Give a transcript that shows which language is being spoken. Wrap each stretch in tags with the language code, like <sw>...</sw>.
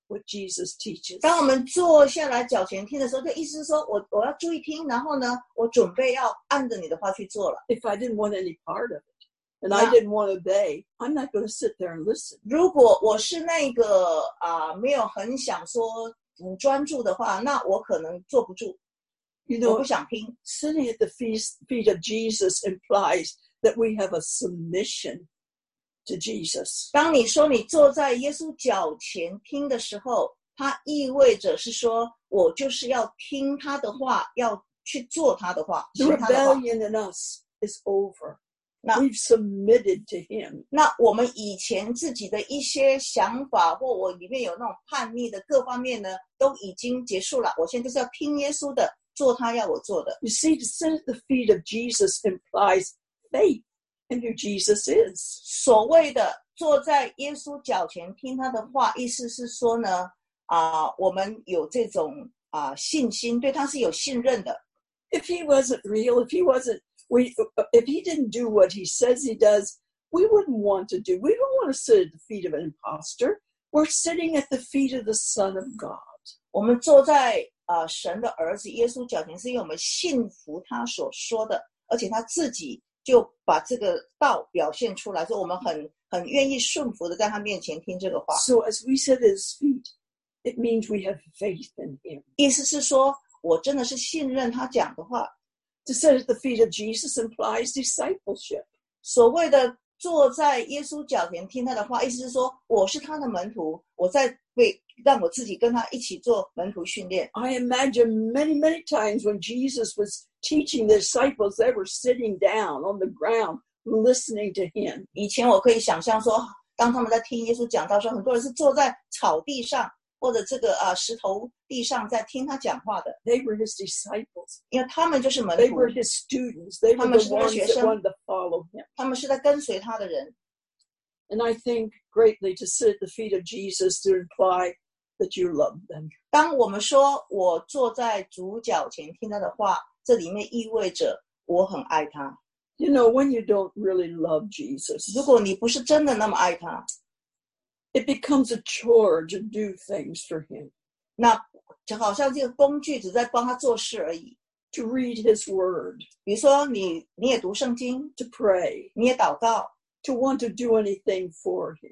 <en>What Jesus teaches.</en> <zh>当我们坐下来脚前听的时候，就意思是说我要注意听，然后呢，我准备要按着你的话去做了。</zh> <en>If I didn't want any part of it, and I didn't want to obey, I'm not going to sit there and listen.</en> <zh>如果我是那个没有很想说很专注的话，那我可能坐不住。</zh> <en>You know,</en> <zh>我不想听。</zh> <en>Sitting at the feet of Jesus implies that we have a submission. To Jesus.</en> <zh>当你说你坐在耶稣脚前听的时候，它意味着是说我就是要听他的话，要去做他的话。</zh> <en>The rebellion in us is over. We've submitted to him.</en> <zh>那我们以前自己的一些想法或我里面有那种叛逆的各方面呢，都已经结束了。我现在就是要听耶稣的，做他要我做的。</zh> <en>You see, to sit at the feet of Jesus implies faith. And who Jesus is.</en> <zh>所谓的坐在耶稣脚前听他的话，意思是说呢，我们有这种信心，对他是有信任的。</zh> <en>If he wasn't real, if he didn't do what he says he does, we wouldn't want to do. We don't want to sit at the feet of an impostor. We're sitting at the feet of the Son of God.</en> <zh>我们坐在神的儿子耶稣脚前，是因为我们信服他所说的，而且他自己。就把这个道表现出来，说我们很愿意顺服的在他面前听这个话。</zh> <en>So as we sit at his feet, it means we have faith in him.</en> <zh>意思是说，我真的是信任他讲的话。</zh> <en>To sit at the feet of Jesus implies discipleship.</en> <zh>所谓的坐在耶稣脚前听他的话，意思是说，我是他的门徒，我在为让我自己跟他一起做门徒训练。</zh> <en>I imagine many, many times when Jesus was. Teaching the disciples, they were sitting down on the ground, listening to him.</en> <zh>以前我可以想象说，当他们在听耶稣讲道的时候，很多人是坐在草地上或者这个石头地上在听他讲话的。</zh> <en>They were his disciples.</en> <zh>因为他们就是门徒。</zh> <en>They were his students. They were the ones that wanted to follow him.</en> <zh>他们是在跟随他的人。</zh> <en>And I think greatly to sit at the feet of Jesus to imply. That you love them.</en> <zh>当我们说我坐在主脚前听他的话，这里面意味着我很爱他。</zh> <en>You know, when you don't really love Jesus,</en> <zh>如果你不是真的那么爱他,</zh> <en>it becomes a chore to do things for him.</en> <zh>那就好像这个工具只在帮他做事而已。</zh> <en>To read his word.</en> <zh>比如说你也读圣经。</zh> <en>To pray.</en> <zh>你也祷告。</zh> <en>To want to do anything for him.</en>